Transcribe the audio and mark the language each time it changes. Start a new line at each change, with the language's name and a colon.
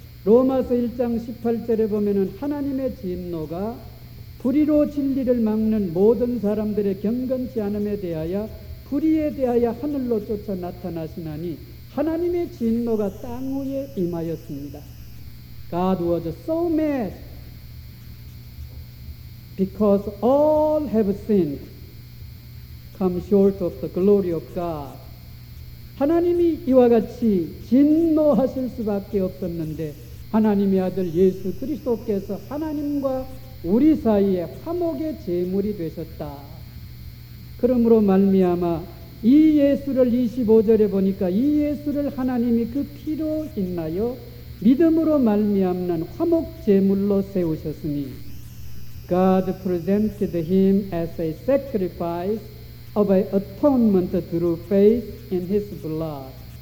Korean: 로마서 1장 18절에 보면 하나님의 진노가 불의로 진리를 막는 모든 사람들의 경건치 않음에 대하여 불의에 대하여 하늘로 쫓아 나타나시나니 하나님의 진노가 땅 위에 임하였습니다.
English: God was so mad because all have sinned, come short of the glory of God.
Korean: 하나님이 이와 같이 진노하실 수밖에 없었는데 하나님의 아들 예수 그리스도께서 하나님과 우리 사이에 화목의 제물이 되셨다. 그러므로 말미암아 이 예수를 25절에 보니까 이 예수를 하나님이 그 피로 인하여 믿음으로 말미암는 화목 제물로 세우셨으니
English: God presented him as a sacrifice of atonement through faith in his blood.